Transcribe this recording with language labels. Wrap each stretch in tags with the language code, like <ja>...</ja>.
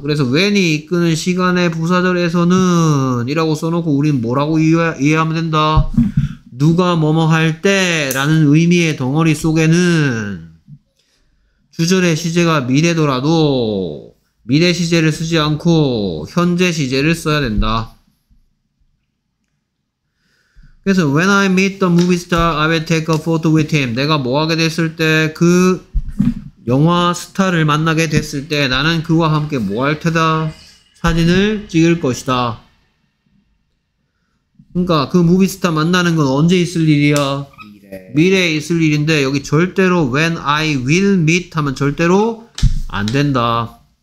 <ko>그래서 when이 이끄는 시간의 부사절에서는 이라고 써놓고 우린 뭐라고 이해하면 된다? 누가 뭐뭐 할 때 라는 의미의 덩어리 속에는 주절의 시제가 미래더라도 미래 시제를 쓰지 않고 현재 시제를 써야 된다. 그래서</ko> <en>when I meet the movie star I will take a photo with him.</en> <ko>내가 뭐하게 됐을 때 그 영화 스타를 만나게 됐을 때 나는 그와 함께 뭐 할 테다? 사진을 찍을 것이다. 그러니까 그 무비스타 만나는 건 언제 있을 일이야? 미래에 있을 일인데 여기 절대로</ko> <en>when I will meet</en> <ko>하면 절대로 안 된다.</ko>